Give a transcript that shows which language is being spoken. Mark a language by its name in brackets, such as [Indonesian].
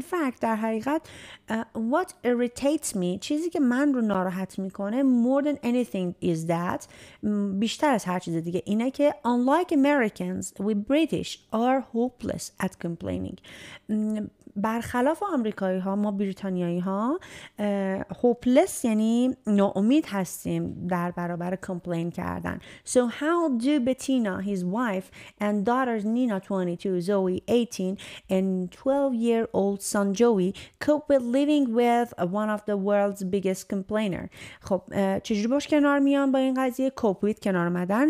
[English] In fact, [Persian] در حقیقت, [English] what irritates me, [Persian] چیزی که من رو ناراحت میکنه, [English] more than anything is that, [Persian] بیشتر از هر چیز دیگه, اینه که [English] unlike Americans, we British are hopeless at complaining. [Persian] برخلاف آمریکایی ها, ما بریتانیایی ها hopeless یعنی ناامید هستیم در برابر کمپلین کردن. [English] So how do Bettina, his wife and daughters Nina 22, Zoe 18 and 12 year old son Joey cope with living with one of the world's biggest complainer? [Persian] خب چجوری باش کنار میان با این قضیه cope with کنار آمدن.